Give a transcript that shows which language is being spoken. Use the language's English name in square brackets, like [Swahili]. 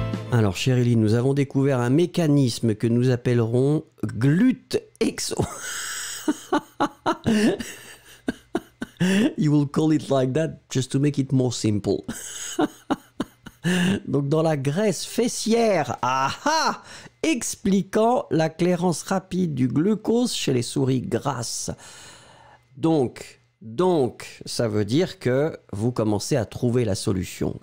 [French] Alors, Chérilie, nous avons découvert un mécanisme que nous appellerons glutexo. [English] You will call it like that just to make it more simple. [French] Donc dans la graisse fessière, aha, expliquant la clairance rapide du glucose chez les souris grasses. Donc ça veut dire que vous commencez à trouver la solution.